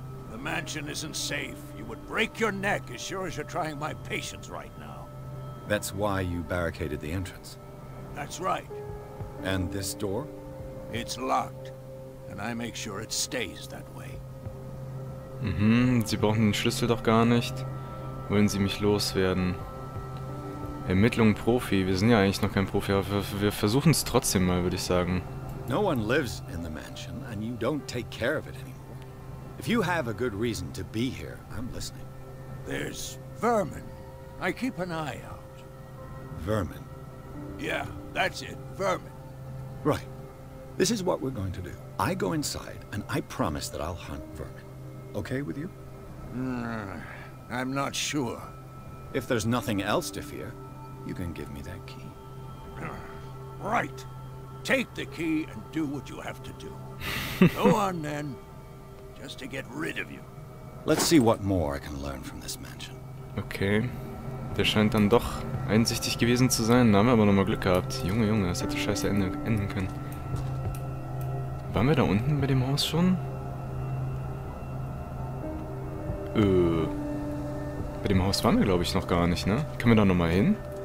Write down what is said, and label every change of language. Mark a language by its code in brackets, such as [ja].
[en] The mansion isn't safe. You would break your neck as sure as you're trying my patience right now. That's why you barricaded the entrance. That's right. And this door? It's locked. And I make sure it stays that way. [de] Sie brauchen den Schlüssel doch gar nicht. Wollen Sie mich loswerden? Ermittlung Profi. Wir sind ja eigentlich noch kein Profi, aber wir versuchen es trotzdem mal, würde ich sagen. [en] No one lives in the mansion, and you don't take care of it anymore. If you have a good reason to be here, I'm listening. There's vermin. I keep an eye out. Vermin? Yeah, that's it. Vermin. Right. This is what we're going to do. I go inside, and I promise that I'll hunt vermin. Okay with you? I'm not sure. If there's nothing else to fear, you can give me that key. Right. Take the key and do what you have to do. Go on, then. Just to get rid of you. Let's see what more I can learn from this mansion. Okay. [de] Der scheint dann doch einsichtig gewesen zu sein. Da haben wir aber nochmal Glück gehabt. Junge, Junge, das hätte scheiße enden können. Waren wir da unten bei dem Haus schon? Bei dem Haus waren wir, glaube ich, noch gar nicht, ne? Können wir da nochmal hin?